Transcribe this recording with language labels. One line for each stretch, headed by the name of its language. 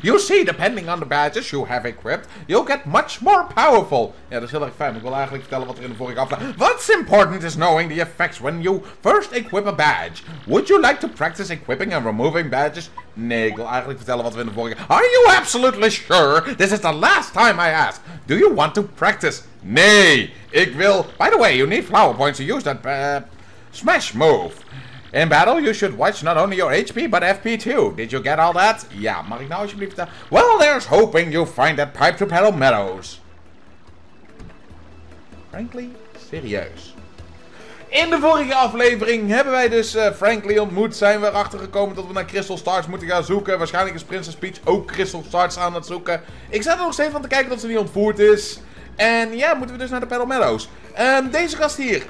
English: You see, depending on the badges you have equipped, you'll get much more powerful.
Dutch: Ja, dat is heel erg fijn. Ik wil eigenlijk vertellen wat er in de vorige aflevering...
English: What's important is knowing the effects when you first equip a badge. Would you like to practice equipping and removing badges?
Dutch: Nee, ik wil eigenlijk vertellen wat we in de vorige...
English: Are you absolutely sure? This is the last time I ask. Do you want to practice?
Dutch: Nee, ik wil...
English: By the way, you need flower points to use that smash move. In battle, you should watch not only your HP, but FP too. Did you get all that?
Dutch: Ja, mag ik nou alsjeblieft...
English: Well, there's hoping you find that pipe to Paddle Meadows.
Dutch: Frankly, serieus. In de vorige aflevering hebben wij dus Frankly ontmoet. Zijn we erachter gekomen dat we naar Crystal Starts moeten gaan zoeken. Waarschijnlijk is Princess Peach ook Crystal Starts aan het zoeken. Ik zat er nog steeds van te kijken dat ze niet ontvoerd is. En ja, moeten we dus naar de Paddle Meadows. Deze gast hier.